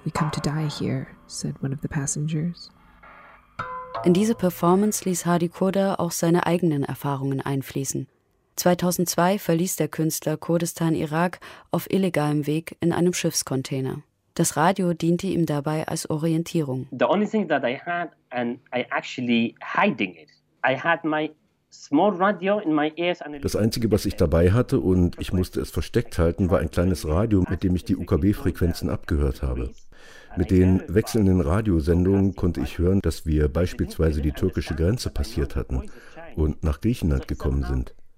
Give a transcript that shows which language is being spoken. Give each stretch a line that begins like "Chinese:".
English: We come to die here, said one of the passengers.
German: In diese Performance ließ Hadi Koda auch seine eigenen Erfahrungen einfließen. 2002 verließ der Künstler Kurdistan-Irak auf illegalem Weg in einem Schiffscontainer. Das Radio diente ihm dabei als Orientierung.
English: The only thing that I had, and I actually hiding it. I had my small radio in my ears.
German: Das Einzige, was ich dabei hatte und ich musste es versteckt halten, war ein kleines Radio, mit dem ich die UKW-Frequenzen abgehört habe. Mit den wechselnden Radiosendungen konnte ich hören, dass wir beispielsweise die türkische Grenze passiert hatten und nach Griechenland gekommen sind.